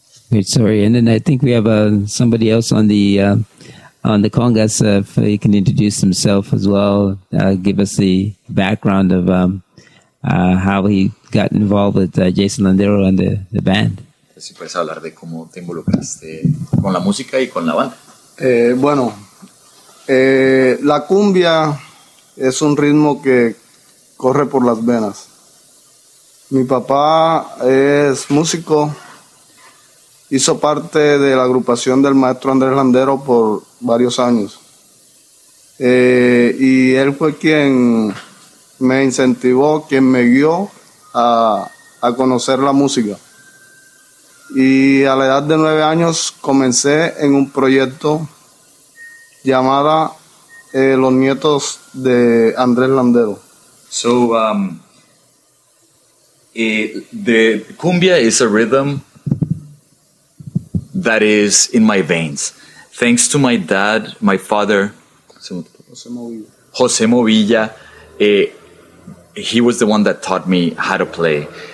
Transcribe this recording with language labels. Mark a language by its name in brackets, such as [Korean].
[English] Great story. And then I think we have somebody else on the congas. If he can introduce himself as well, give us the background of how he got involved with Jason Landero and the band. [Spanish] Si puedes hablar de cómo te involucraste con la música y con la banda. La cumbia es un ritmo que corre por las venas. Mi papá es músico, hizo parte de la agrupación del maestro Andrés Landero por varios años. Y él fue quien me incentivó, quien me guió a conocer la música. Y a la edad de 9 años comencé en un proyecto llamada Los Nietos de Andrés Landero. [English] So, the cumbia is a rhythm that is in my veins. Thanks to my dad, my father, Jose Movilla, he was the one that taught me how to play.